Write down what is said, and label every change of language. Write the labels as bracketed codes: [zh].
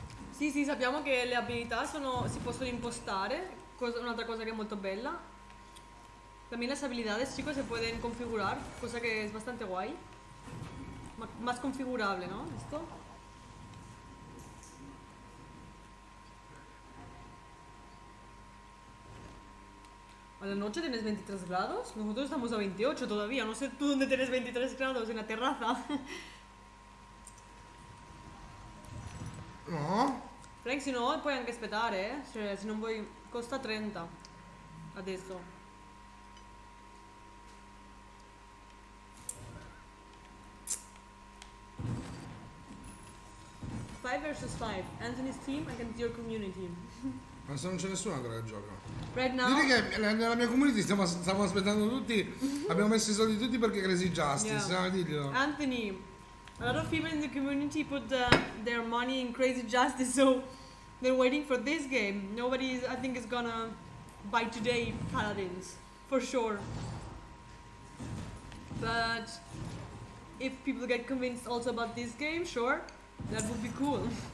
[it] Sì, sì, sappiamo che le abilità sono, si possono impostare. Cosa, un'altra cosa che è molto bella. [es] También las habilidades, chicos, se pueden configurar, cosa que es bastante guay. Más configurable, ¿no? Esto. A la noche tenés 23 grados. Nosotros estamos a 28 todavía. No sé tú dónde tenés 23 grados, en la terraza. No. [it] Frank, si no, puoi anche aspettare, eh? Se non vuoi, costa 30 adesso. [en] Five versus five, Anthony's team against your community. [it] Ma se non c'è nessuno ancora che gioca. [en] Right now? [it] Dici che nella mia community stiamo aspettando tutti, abbiamo messo i soldi tutti perché Crazy Justice, yeah. Diglielo. [en] Anthony, a lot of people in the community put their money in Crazy Justice, so they're waiting for this game. Nobody, I think, is gonna buy today Paladins, for sure. But if people get convinced also about this game, sure, that would be cool.